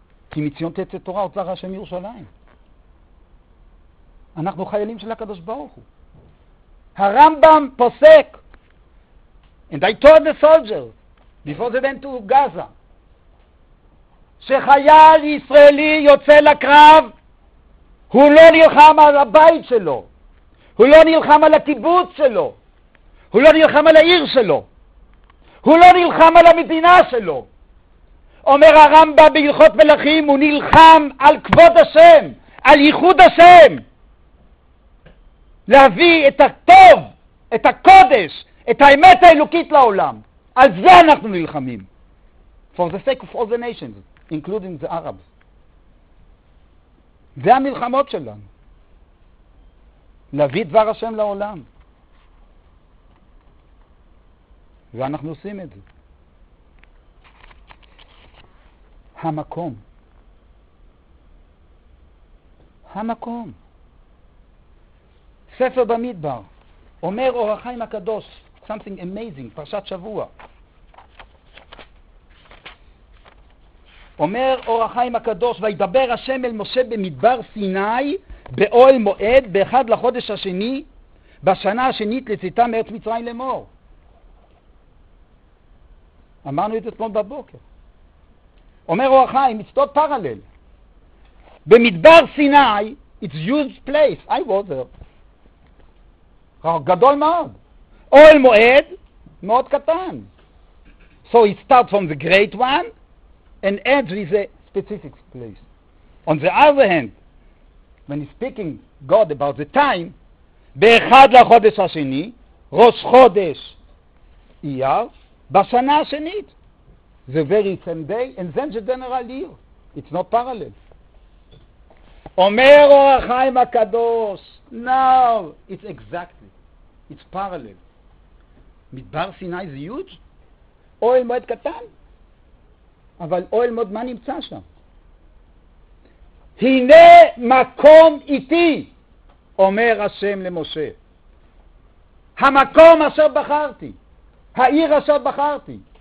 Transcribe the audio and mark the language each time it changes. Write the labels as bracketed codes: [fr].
[he] כי מציון תצא תורה, אוצר השם ירושלים. אנחנו חיילים של הקדוש ברוך הוא. הרמב״ם פוסק. [en] And I told the soldiers before they went to Gaza. [he] שחייל ישראלי יוצא לקרב, הוא לא נלחם על הבית שלו, הוא לא נלחם על הקיבוץ שלו, הוא לא נלחם על העיר שלו, הוא לא נלחם על המדינה שלו. אומר הרמב"ם בהלכות מלכים, הוא נלחם על כבוד השם, על ייחוד השם, להביא את הטוב, את הקודש, את האמת האלוקית לעולם. על זה אנחנו נלחמים. For the sake of all the nations, including the Arabs. זה המלחמות שלנו. להביא דבר השם לעולם. ואנחנו עושים את זה. המקום. המקום. ספר במדבר. אומר אור החיים הקדוש. [en] Something amazing. [he] פרשת שבוע. אומר אור החיים הקדוש, וידבר השם אל משה במדבר סיני, באוהל מועד, באחד לחודש השני, בשנה השנית לצאתה מארץ מצרים לאמור. אמרנו את זה אתמול בבוקר. [en] אומר אור החיים, it's not parallel. במדבר סיני, it's huge place. I was there. [he] גדול מאוד. אוהל מועד, מאוד קטן. [en] So it starts from the great one, and ends with a specific place. On the other hand, when he's speaking God about the time, [he] באחד לחודש השני, ראש חודש אייר, בשנה השנית, [en] the very same day, and then the general year. It's not parallel. [he] אומר אור החיים הקדוש, [en] now, it's exactly, it's parallel. [he] מדבר סיני זה huge? אוהל מועד קטן? אבל אוהל מועד, מה נמצא שם? הנה מקום איתי, אומר השם למשה. המקום אשר בחרתי, העיר אשר בחרתי.